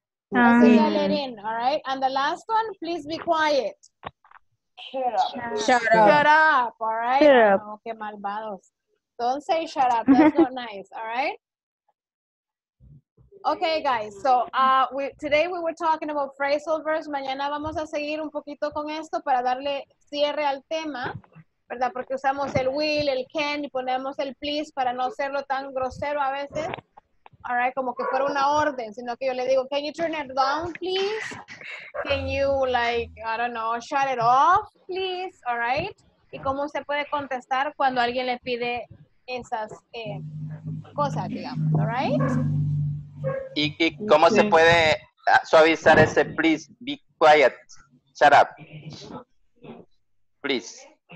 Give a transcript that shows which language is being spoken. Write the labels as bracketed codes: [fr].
[en] Let in, all right? And the last one, please be quiet. Shut up, all right? Shut up. [es] Oh, qué malvados. [en] Don't say shut up. That's not nice, all right? Okay, guys, so today we were talking about phrasal verbs. [es] Mañana vamos a seguir un poquito con esto para darle cierre al tema, ¿verdad? Porque usamos el will, el can, y ponemos el please para no hacerlo tan grosero a veces. [en] All right, [es] como que fuera una orden, sino que yo le digo, [en] can you turn it down, please? Can you, like, I don't know, shut it off, please? All right? [es] Y cómo se puede contestar cuando alguien le pide esas cosas, digamos. [en] All right? [es] ¿Y cómo se puede suavizar ese please? [en] Be quiet. Shut up. Please.